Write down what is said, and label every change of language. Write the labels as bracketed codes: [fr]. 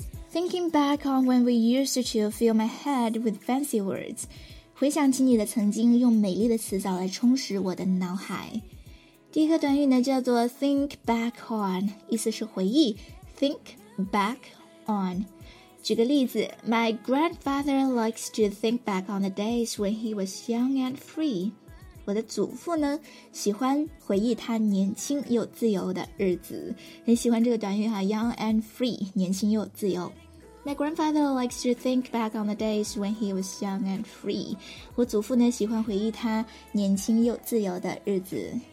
[en] Thinking back on when we used to fill my head with fancy words. [zh] 回想起你的曾经，用美丽的词藻来充实我的脑海。第一个短语呢叫做 [en] think back on, [zh] 意思是回忆 think back on。举个例子 [en] ,my grandfather likes to think back on the days when he was young and free. [zh] 我的祖父呢喜欢回忆他年轻又自由的日子。很喜欢这个短语哈 , [en] young and free, [zh] 年轻又自由。 [en] My grandfather likes to think back on the days when he was young and free. [zh] 我祖父呢喜欢回忆他年轻又自由的日子。